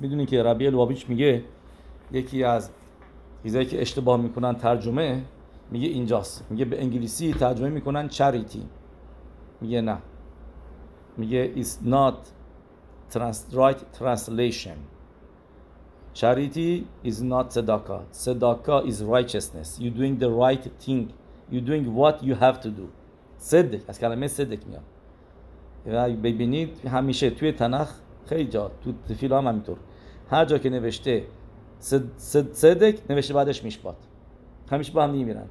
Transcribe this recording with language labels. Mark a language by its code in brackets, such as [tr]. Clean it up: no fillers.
[fa] میدونی که ربی الوابیچ میگه یکی از چیزایی که اشتباه میکنن ترجمه، میگه اینجاست، میگه به انگلیسی ترجمه میکنن charity، میگه نه، میگه [en] it's not right translation. Charity is not tzedakah. Tzedakah is righteousness. You're doing the right thing. You're doing what you have to do. Tzedek. [fa] از کلمه tzedek میاد. و ببینید همیشه توی تنخ خیلی جا. تو تفیل هم همینطور. هر جا که نوشته tzedek نوشته بعدش میشپات. همیشه با هم دیگه میرن.